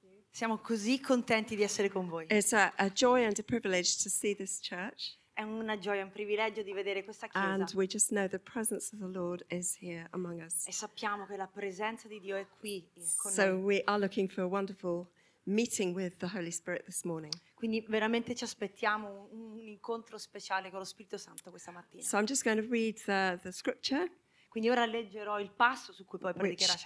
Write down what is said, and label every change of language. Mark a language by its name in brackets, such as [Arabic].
[Italian] Siamo così contenti di essere con voi. [English] It's a joy and a privilege to see this church. [Italian] È una gioia, un privilegio di vedere questa chiesa. [English] And we just know the presence of the Lord is here among us. [Italian] E sappiamo che la presenza di Dio è qui con [English] so [Italian] noi. [English] So we are looking for a wonderful meeting with the Holy Spirit this morning. [Italian] Quindi veramente ci aspettiamo un incontro speciale con lo Spirito Santo questa mattina. [English] So I'm just going to read the scripture. [Italian] Quindi ora leggerò il passo su cui poi predicherà Charles.